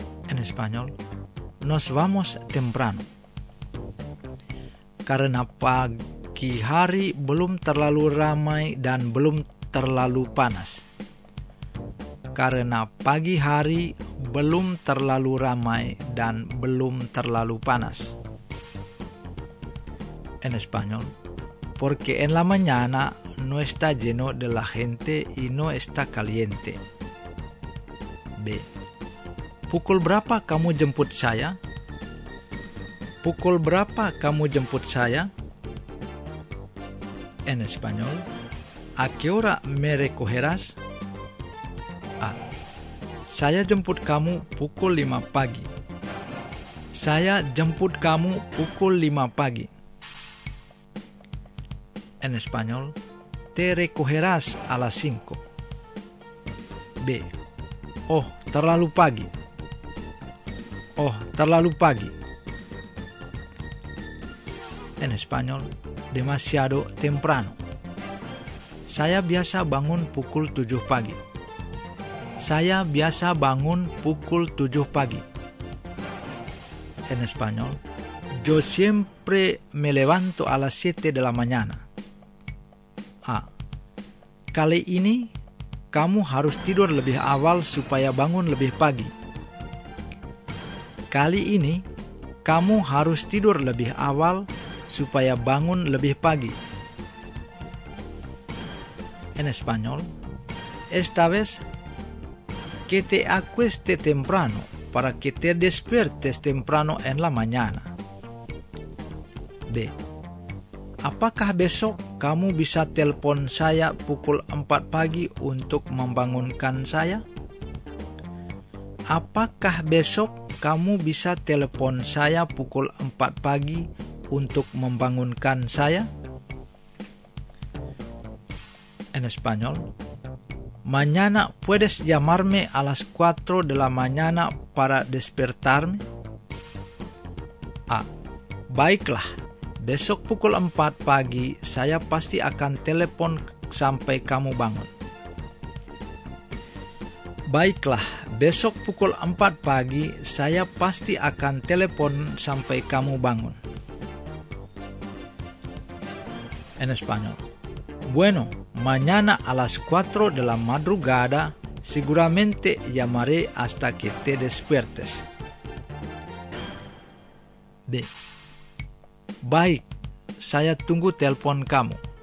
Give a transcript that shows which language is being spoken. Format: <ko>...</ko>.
<es>En español. Nos vamos temprano.</es> <id>Karena pagi hari belum terlalu ramai dan belum terlalu panas. Karena pagi hari belum terlalu ramai dan belum terlalu panas.</id> <es>En español. Porque en la mañana no está lleno de la gente y no está caliente. B.</es> <id>Pukul berapa kamu jemput saya? Pukul berapa kamu jemput saya?</id> <es>En español. ¿A qué hora me recogerás? A.</es> <id>Saya jemput kamu pukul 5 pagi. Saya jemput kamu pukul 5 pagi.</id> <es>En español. Te recogerás a las 5. B.</es> <id>Oh, terlalu pagi. Oh, terlalu pagi.</id> <es>En español. Demasiado temprano.</es> <id>Saya biasa bangun pukul 7 pagi. Saya biasa bangun pukul 7 pagi.</id> <es>En español. Yo siempre me levanto a las 7 de la mañana. A.</es> <id>Kali ini, kamu harus tidur lebih awal supaya bangun lebih pagi. Kali ini, kamu harus tidur lebih awal supaya bangun lebih pagi.</id> <es>En español. Esta vez, que te acueste temprano para que te despiertes temprano en la mañana. B.</es> <id>Apakah besok kamu bisa telepon saya pukul 4 pagi untuk membangunkan saya? Apakah besok kamu bisa telepon saya pukul 4 pagi untuk membangunkan saya?</id> <es>En español. Mañana puedes llamarme a las 4 de la mañana para despertarme?</es> <id>A. Baiklah. Besok pukul 4 pagi, saya pasti akan telepon sampai kamu bangun. Baiklah, besok pukul 4 pagi, saya pasti akan telepon sampai kamu bangun.</id> <es>En español. Bueno, mañana a las 4 de la madrugada, seguramente llamaré hasta que te despiertes.</es> <id>B. Baik, saya tunggu telepon kamu.</id>